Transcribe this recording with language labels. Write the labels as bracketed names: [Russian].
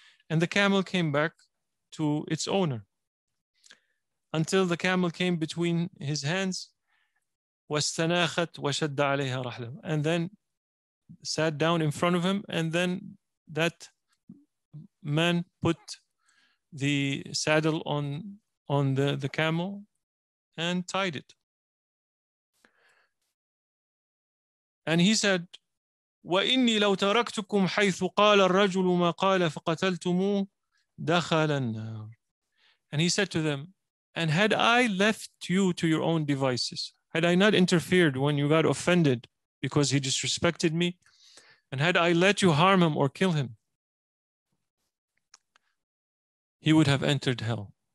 [English] And the camel came back to its owner, until the camel came between his hands, [Arabic] وَاسْتَنَاخَتْ وَشَدَّ عَلَيْهَا رَحْلَهُ, [English] and then sat down in front of him. And then that man put the saddle on the camel and tied it. And he said, [Arabic] وَإِنِّي لَوْ تَرَكْتُكُمْ حَيْثُ قَالَ الرَّجُلُ مَا قَالَ فَقَتَلْتُمُوهُ دَخَلَ النَّارِ. [English] And he said to them, and had I left you to your own devices, had I not interfered when you got offended because he disrespected me, and had I let you harm him or kill him, he would have entered hell.